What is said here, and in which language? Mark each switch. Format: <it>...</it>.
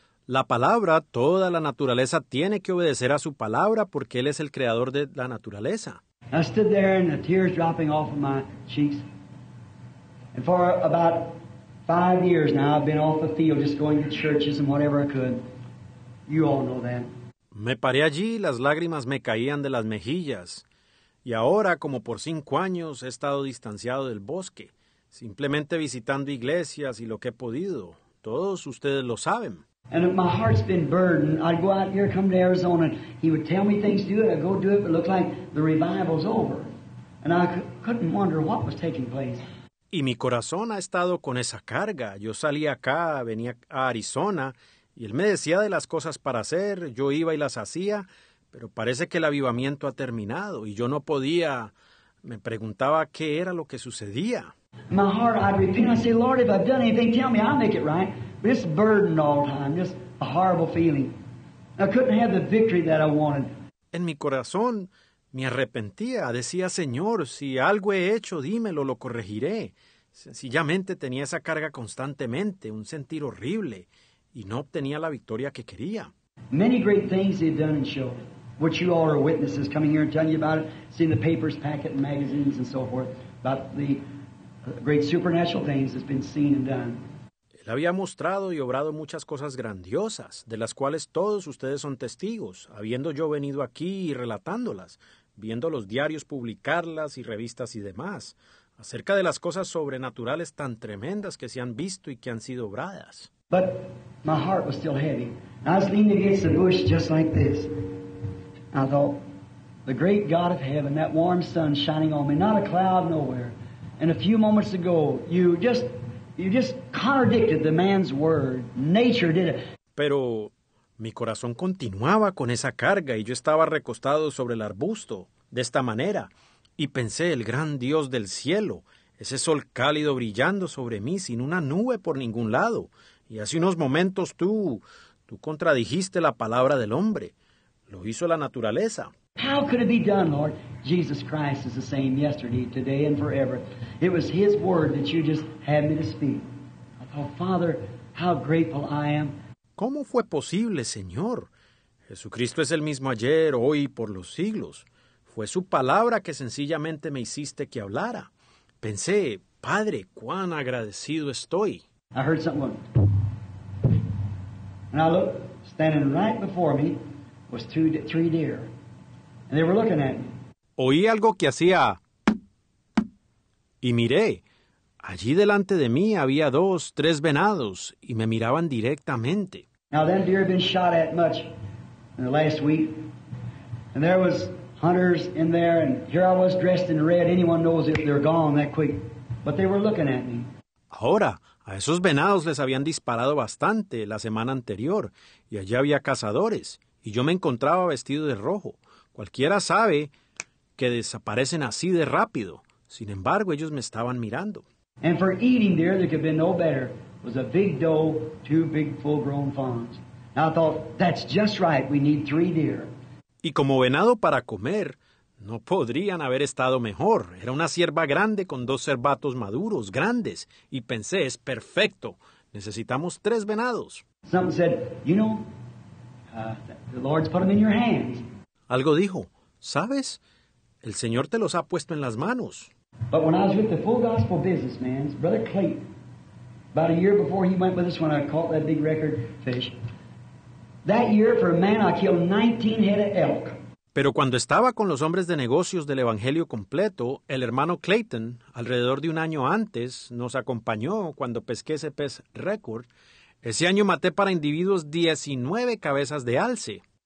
<es>La palabra, toda la naturaleza tiene que obedecer a su palabra porque él es el creador de la naturaleza.</es> <en>I stood there and the tears dropping off of my cheeks. And for about 5 years now, I've been off the field just going to churches and whatever I could. You all know that.</en> <es>Me paré allí, las lágrimas me caían de las mejillas. Y ahora, como por 5 años, he estado distanciado del bosque, simplemente visitando iglesias y lo que he podido. Todos ustedes lo saben.</es> <en>And if my heart's been burdened, I'd go out here, come to Arizona. He would tell me things to do it. I'd go do it, but it looked like the revival's over. And I couldn't wonder what was taking place.</en> <es>Y mi corazón ha estado con esa carga. Yo salí acá, venía a Arizona, y él me decía de las cosas para hacer. Yo iba y las hacía, pero parece que el avivamiento ha terminado, y yo no podía. Me preguntaba qué era lo que sucedía.</es> <en>My heart, I'd repent. I'd say, Lord, if I've done anything, tell me, I'll make it right. This burden all the time, just a horrible feeling. I couldn't have the victory that I wanted.</en> <es>En mi corazón, me arrepentía. Decía, Señor, si algo he hecho, dímelo, lo corregiré. Sencillamente tenía esa carga constantemente, un sentir horrible, y no obtenía la victoria que quería.</es> <en>Many great things he had done and showed, which you all are witnesses, coming here and telling you about it, seeing the papers, packet, and magazines, and so forth, about the great supernatural things that's been seen and done.</en> <es>Él había mostrado y obrado muchas cosas grandiosas, de las cuales todos ustedes son testigos, habiendo yo venido aquí y relatándolas, viendo los diarios publicarlas y revistas y demás, acerca de las cosas sobrenaturales tan tremendas que se han visto y que han sido obradas.</es> <en>But my heart was still heavy. I was leaning against the bush just like this. I thought, the great God of heaven, that warm sun shining on me, not a cloud nowhere. And a few moments ago, you just contradicted the man's word. Nature did it.</en> <es>Pero mi corazón continuaba con esa carga y yo estaba recostado sobre el arbusto de esta manera. Y pensé, el gran Dios del cielo, ese sol cálido brillando sobre mí sin una nube por ningún lado. Y hace unos momentos tú contradijiste la palabra del hombre. Lo hizo la naturaleza.</es> <en>How could it be done, Lord? Jesus Christ is the same yesterday, today, and forever. It was his word that you just had me to speak. I thought, Father, how grateful I am.</en> <es>¿Cómo fue posible, Señor? Jesucristo es el mismo ayer, hoy, por los siglos. Fue su palabra que sencillamente me hiciste que hablara. Pensé, Padre, cuán agradecido estoy.</es> <en>I heard something. And I looked, standing right before me was three deer. And they were looking at me.</en> <es>Oí algo que hacía, y miré, allí delante de mí había 2, 3 venados, y me miraban directamente.</es> <en>Now, them deer had been shot at much in the last week, and there was hunters in there, and here I was dressed in red, anyone knows if they're gone that quick, but they were looking at me.</en> <es>Ahora, a esos venados les habían disparado bastante la semana anterior, y allí había cazadores, y yo me encontraba vestido de rojo. Cualquiera sabe que desaparecen así de rápido. Sin embargo, ellos me estaban mirando.</es> <en>And for eating there, there could be no better. It was a big doe, 2 big full-grown fawns. Now I thought, that's just right, we need 3 deer.</en> <es>Y como venado para comer, no podrían haber estado mejor. Era una cierva grande con 2 cervatos maduros, grandes. Y pensé, es perfecto, necesitamos 3 venados.</es> <en>Someone said, you know, the Lord's put them in your hands.</en> <es>Algo dijo, ¿sabes? El Señor te los ha puesto en las manos.</es> <en>But when I was with the full gospel businessman, Brother Clayton, about a year before he went with us when I caught that big record fish, that year for a man I killed 19 head of elk.</en> <es>Pero cuando estaba con los hombres de negocios del Evangelio Completo, el hermano Clayton, alrededor de un año antes, nos acompañó cuando pesqué ese pez récord. Ese año maté para individuos 19 cabezas de alce.</es>